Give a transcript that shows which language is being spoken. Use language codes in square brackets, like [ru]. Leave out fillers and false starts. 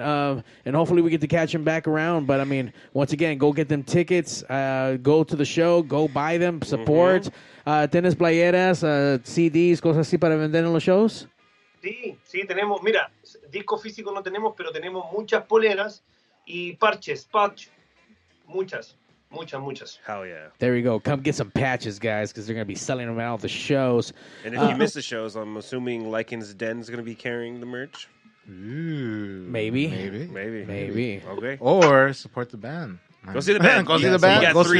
[en] And hopefully we get to catch them back around. But I mean, once again, go get them tickets. Go to the show. Go buy them. Support. Mm-hmm. [es] Tienes playeras, CDs, cosas así para vender en los shows. Sí, tenemos. Mira, disco físico no tenemos, pero tenemos muchas poleras y parches. Muchas. [en] Hell yeah. There you go. Come get some patches, guys, because they're going to be selling them at all the shows. And if you miss the shows, I'm assuming Lycan's Den is going to be carrying the merch. Maybe. Okay. Or support the band. Go see the band. Go see the band.